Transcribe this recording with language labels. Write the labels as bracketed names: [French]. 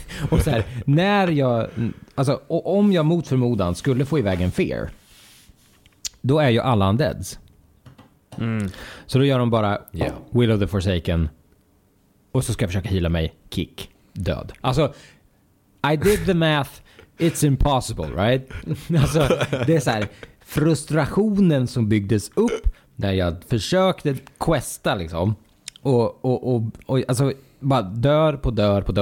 [Swedish] Och så här, när jag, alltså, och om jag mot förmodan skulle få iväg en fear, då är ju alla undeads. Så då gör de bara Will of the Forsaken och så ska jag försöka hila mig, kick, död. Alltså, [English] I did the math, it's impossible, right? [Swedish] Alltså, det är så här, frustrationen som byggdes upp när jag försökte questa liksom. Och alltså, bara dör på dör.